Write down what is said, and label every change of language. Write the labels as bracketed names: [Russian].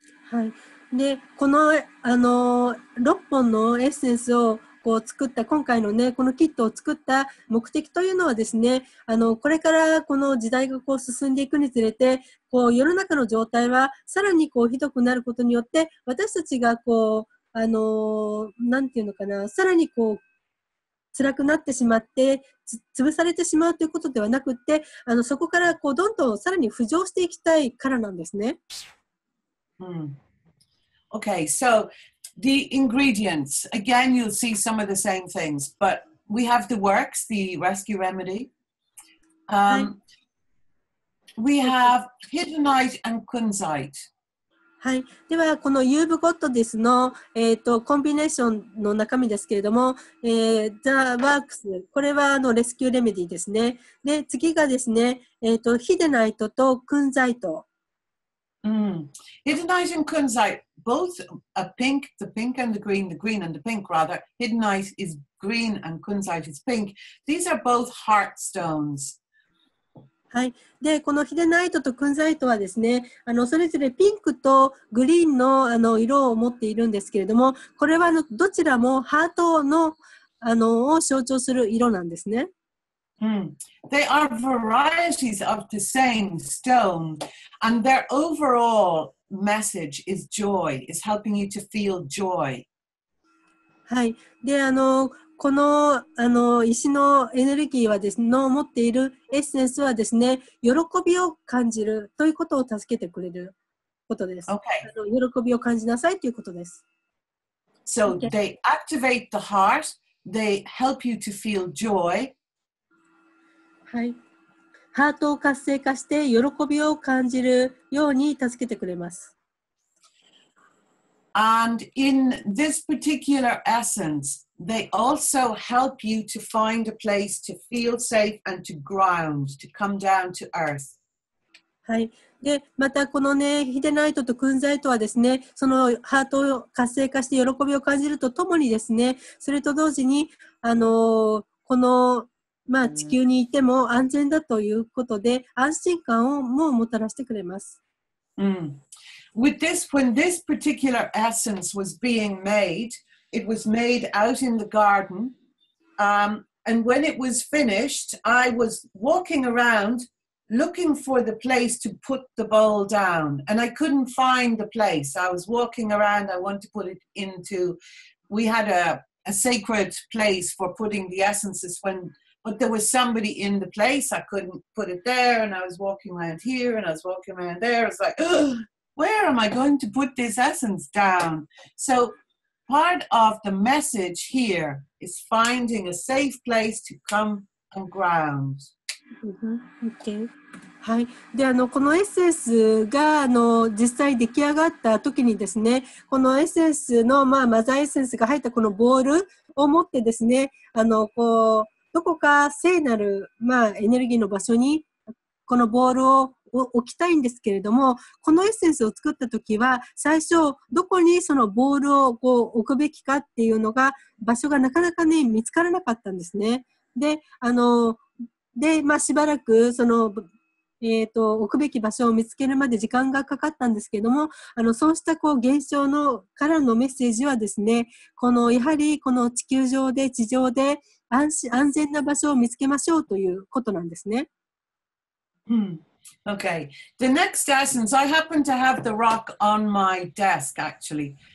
[Japanese] はい。でこの、6本のエッセンスをこう作った今回の、ね、このキットを作った目的というのはですね、これからこの時代がこう進んでいくにつれてこう世の中の状態はさらにこうひどくなることによって私たちがこう、なんていうのかな、さらにこう辛くなってしまって潰されてしまうということではなくって、そこからこうどんどんさらに浮上していきたいからなんですね。うん。 [English] Okay, so the ingredients, again, you'll see some of the same things, but we have the works, the rescue remedy. We have hiddenite and kunzite. [Japanese] はい、ではこのユーブゴッドデスの、コンビネーションの中身ですけれども、The Works、これはレスキューレメディですね。で、次がですね、hiddenite とkunzite。 [English] Hiddenite and kunzite, both a pink, the pink and the green and the pink rather. Hiddenite is green and kunzite is pink. These are both heart stones. [Japanese] はい。で、このヒデナイトとクンザイトはですね、それぞれピンクとグリーンの色を持っているんですけれども、これはどちらもハートのを象徴する色なんですね。 [English] They are varieties of the same stone, and their overall message is joy, is helping you to feel joy. [Japanese] はい、で、この、石のエネルギーはですね、持っているエッセンスはですね、喜びを感じるということを助けてくれることです。 [English] Okay. [Japanese] 喜びを感じなさいということです。 [English] So they activate the heart, they help you to feel joy. [Japanese] はい。ハートを活性化して喜びを感じるように助けてくれます。 [English] And in this particular essence, they also help you to find a place to feel safe and to ground, to come down to earth. [Japanese] はい。で、またこのね、ヒデナイトとクンザイトはですね、そのハートを活性化して喜びを感じるとともにですね、それと同時に、この、まあ、地球にいても安全だということで、安心感をもたらしてくれます。うん。 [English] With this, when this particular essence was being made, it was made out in the garden. And when it was finished, I was walking around looking for the place to put the bowl down. And I couldn't find the place. I was walking around, I wanted to put it into, we had a sacred place for putting the essences when, but there was somebody in the place, I couldn't put it there. And I was walking around here and I was walking around there. I was like, ugh! Where am I going to put this essence down? So part of the message here is finding a safe place to come and ground. Okay. はい。 [Japanese] で、このエッセンスが実際出来上がった時にですね、このエッセンスの、まあ、マザーエッセンスが入ったこのボールを持ってですね、こうどこか聖なる、まあ、エネルギーの場所にこのボールを置きたいんですけれども、このエッセンスを作ったときは、最初どこにそのボールをこう置くべきかっていうのが場所がなかなかね見つからなかったんですね。で、で、まあ、しばらくその置くべき場所を見つけるまで時間がかかったんですけれども、そうしたこう現象のからのメッセージはですね、このやはりこの地球上で地上で安全な場所を見つけましょうということなんですね。うん。 [English] Okay, the next essence, I happen to have the rock on my desk actually.